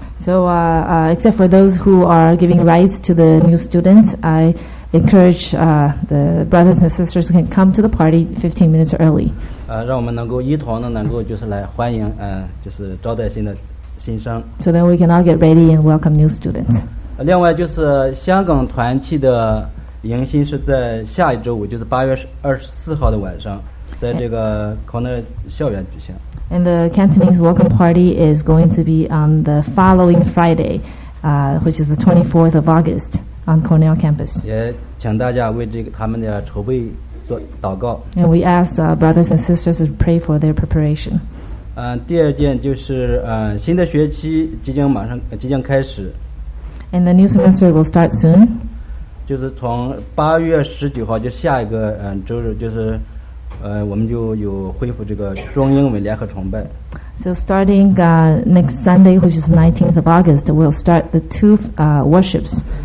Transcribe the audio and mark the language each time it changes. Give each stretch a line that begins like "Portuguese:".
English: So except for those who are giving rides to the new students, I encourage the brothers and sisters can come to the party 15 minutes early.
Chinese: 让我们能够一同的能够就是来欢迎就是招待新的新生。
English: So then we can all get ready and welcome new students.
Chinese: 另外就是香港团契的迎新是在下一周五，就是8月24号的晚上，在这个考内校园举行。
English: And the Cantonese welcome party is going to be on the following Friday, which is the 24th of August on Cornell campus.
Chinese: 也请大家为这个他们的筹备做祷告。
English: And we ask brothers and sisters to pray for their preparation.
Chinese: 第二件就是新的学期即将开始。
English: And the new semester will start soon.
Chinese: 就是从8月19号就下一个周日就是。我们就有恢复这个中英文联合崇拜。
English: So starting next Sunday, which is 19th of August, we'll start the two worships.